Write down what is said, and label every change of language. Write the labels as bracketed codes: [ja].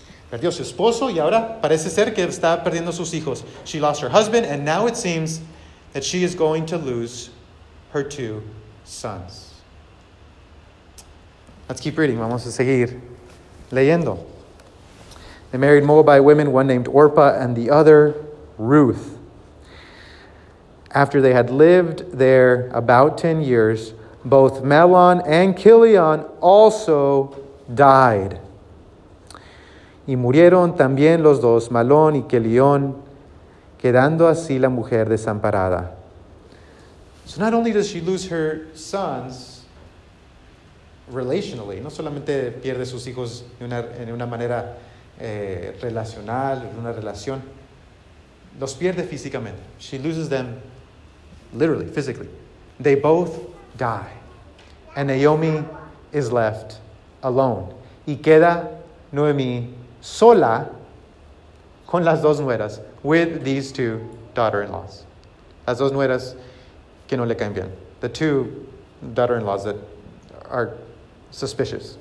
[es] Perdió su esposo y ahora parece ser que está perdiendo sus hijos. [en] She lost her husband and now it seems that she is going to lose her two sons. Let's keep reading. [es] Vamos a seguir leyendo. [en] They married Moabite women, one named Orpah and the other Ruth. After they had lived there about 10 years, both Mahlon and Chilion also died. [es] Y murieron también los dos, Mahlon y Chilion, quedando así la mujer desamparada. [en] So not only does she lose her sons relationally, [es] no solamente pierde sus hijos en una manera relacional, una relación, los pierde físicamente. [en] She loses them literally, physically. They both die. And Naomi is left alone. [es] Y queda Noemi sola con las dos nueras, [en] with these two daughter-in-laws. [es] Las dos nueras que no le caen bien. [en] The two daughter-in-laws that are suspicious.